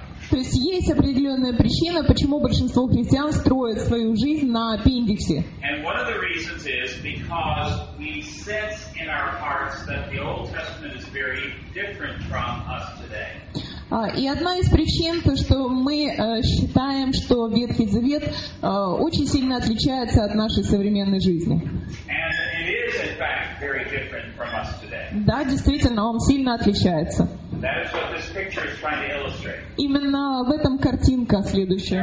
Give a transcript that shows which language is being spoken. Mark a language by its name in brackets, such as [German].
[Russian] То есть есть определенная причина, почему большинство христиан строят свою жизнь на аппендиксе. [English] And one of the reasons is because we sense in our hearts that the Old Testament is very different from us today. [Russian] И одна из причин, то, что мы считаем, что Ветхий Завет очень сильно отличается от нашей современной жизни. [English] And it is, in fact, very different from us today. [Russian] Да, действительно, он сильно отличается. [English] That is what this picture is trying to illustrate. [Russian] Именно в этом картинка следующая.